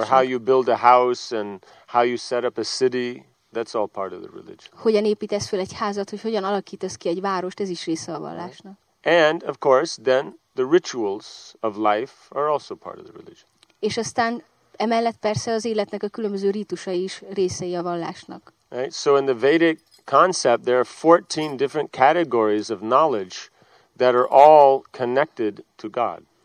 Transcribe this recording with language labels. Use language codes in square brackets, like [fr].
[en] Or how you build a house and how you set up a city, that's all part of the religion. [hu] Hogyan építesz fel egy házat, hogy hogyan alakítasz ki egy várost, ez is része a vallásnak. [en] And of course, then the rituals of life are also part of the religion. [hu] És aztán emellett persze az életnek a különböző rítusai is részei a vallásnak. [en] Right? So in the Vedic concept, there are 14 different categories of knowledge that are all connected to God.